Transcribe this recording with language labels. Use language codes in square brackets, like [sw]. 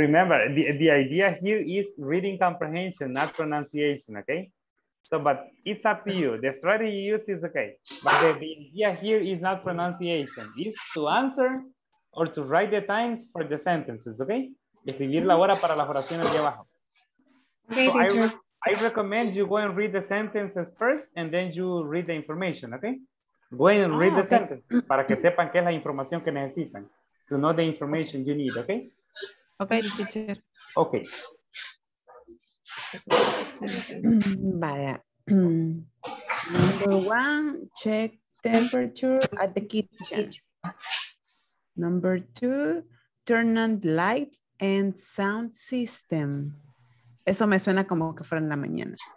[en] Remember, the idea here is reading comprehension, not pronunciation, okay? So, but it's up to you. The strategy you use is okay. But the idea here is not pronunciation. It's to answer or to write the times for the sentences, okay? [es] Escribir la hora para las oraciones de abajo. [en] Okay, so teacher. I recommend you go and read the sentences first and then you read the information, okay? Go and read the sentences [es] para que sepan qué es la información que necesitan. [en] To know the information you need, okay? Okay, teacher. Okay. Vaya. Number one, check temperature at the kitchen. Number two, turn on light and sound system. [es] Eso me suena como que fuera en la mañana.